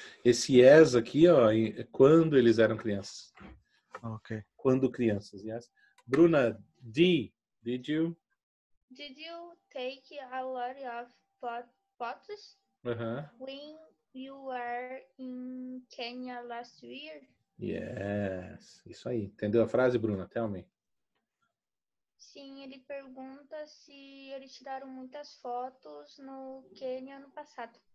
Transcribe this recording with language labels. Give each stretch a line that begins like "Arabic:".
Portuguese: Esse as aqui, ó, é quando eles eram crianças. Ok. Quando crianças, yes. Bruna, D,
English: did you? Did you take a lot of photos when you were in Kenya last year?
Portuguese: Yes, isso aí. Entendeu a frase, Bruna?
English: Tell me.
Portuguese: Sim, ele pergunta se eles tiraram muitas fotos no Kenya ano passado.